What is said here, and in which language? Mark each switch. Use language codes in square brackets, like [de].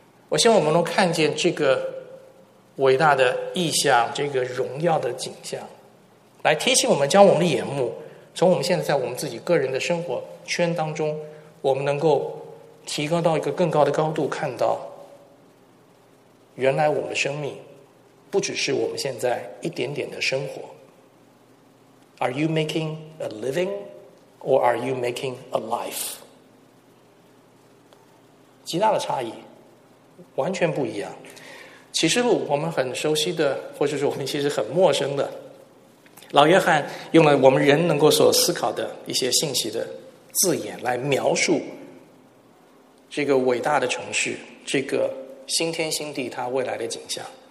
[zh] 我希望我们能看见这个伟大的意象，这个荣耀的景象，来提醒我们将我们的眼目从我们现在在我们自己个人的生活圈当中，我们能够提高到一个更高的高度，看到原来我们的生命不只是我们现在一点点的生活。 [en] Are you making a living or are you making a life? [zh] 极大的差异，完全不一样。启示录我们很熟悉的，或者是我们其实很陌生的，老约翰用了我们人能够所思考的一些信息的字眼来描述这个伟大的城市，这个新天新地它未来的景象。